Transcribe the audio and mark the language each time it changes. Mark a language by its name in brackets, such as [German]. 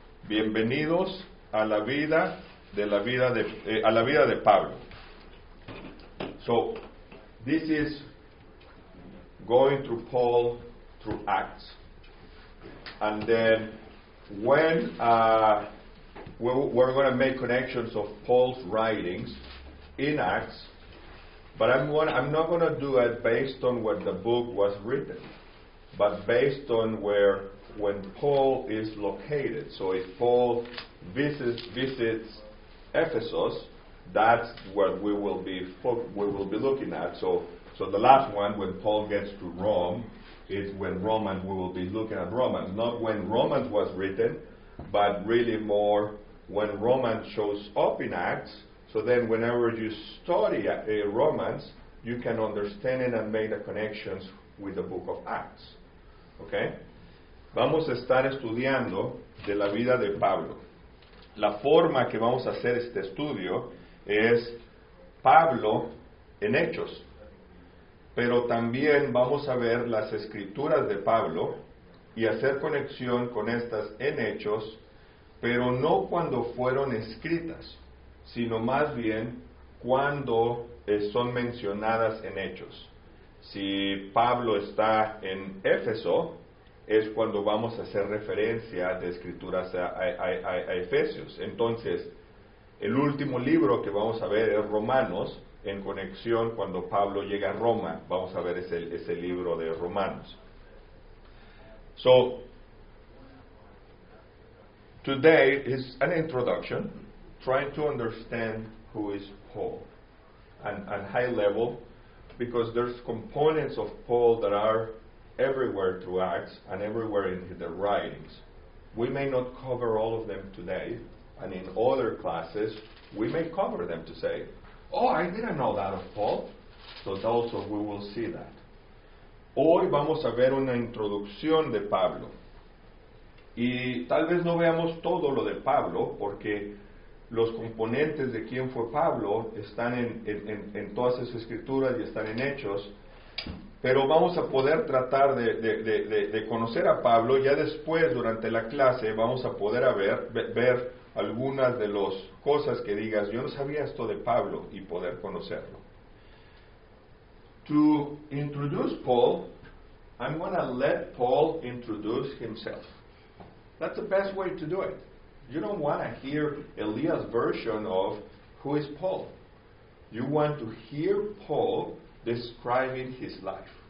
[Spanish] Bienvenidos a la vida de la vida de a la vida de Pablo. [English] So this is going through Paul through Acts, and then when we're going to make connections of Paul's writings in Acts, but I'm not going to do it based on what the book was written, but based on where when Paul is located. So if Paul visits Ephesus, that's what we will be looking at. So the last one, when Paul gets to Rome, is when Romans, we will be looking at Romans, not when Romans was written, but really more when Romans shows up in Acts. So then whenever you study Romans, you can understand it and make the connections with the book of Acts. Okay? [Spanish] Vamos a estar estudiando de la vida de Pablo. La forma que vamos a hacer este estudio es Pablo en Hechos. Pero también vamos a ver las escrituras de Pablo y hacer conexión con estas en Hechos, pero no cuando fueron escritas, sino más bien cuando son mencionadas en Hechos. Si Pablo está en Éfeso, es cuando vamos a hacer referencia de escrituras a Efesios. Entonces, el último libro que vamos a ver es Romanos, en conexión cuando Pablo llega a Roma. Vamos a ver ese libro de Romanos. [English] So, today is an introduction, trying to understand who is Paul, and high level, because there's components of Paul that are everywhere through Acts and everywhere in the writings. We may not cover all of them today, and in other classes we may cover them to say, oh, I didn't know that of Paul. So also we will see that. [Spanish] Hoy vamos a ver una introducción de Pablo. Y tal vez no veamos todo lo de Pablo, porque los componentes de quién fue Pablo están en todas esas escrituras y están en Hechos. Pero vamos a poder tratar de conocer a Pablo. Ya después, durante la clase, vamos a poder ver algunas de las cosas que digas, yo no sabía esto de Pablo, y poder conocerlo. [English] To introduce Paul, I'm going to let Paul introduce himself. That's the best way to do it. You don't want to hear Elias' version of who is Paul. You want to hear Paul describing his life.